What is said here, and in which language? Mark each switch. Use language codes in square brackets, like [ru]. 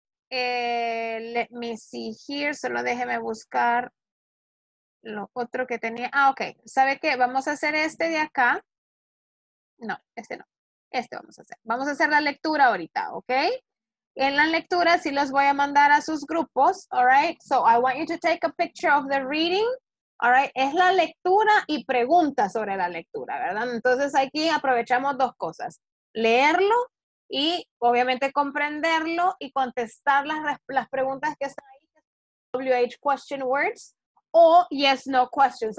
[en] Let me see here. [es] Solo déjeme buscar lo otro que tenía. Ah, okay. ¿Sabe qué? Vamos a hacer este de acá. No, este no. Este vamos a hacer. Vamos a hacer la lectura ahorita, okay? En la lectura sí los voy a mandar a sus grupos. [en] All right. So I want you to take a picture of the reading. All right, [es] es la lectura y preguntas sobre la lectura, ¿verdad? Entonces aquí aprovechamos dos cosas, leerlo y obviamente comprenderlo y contestar las preguntas que están ahí, WH question words o yes, no questions.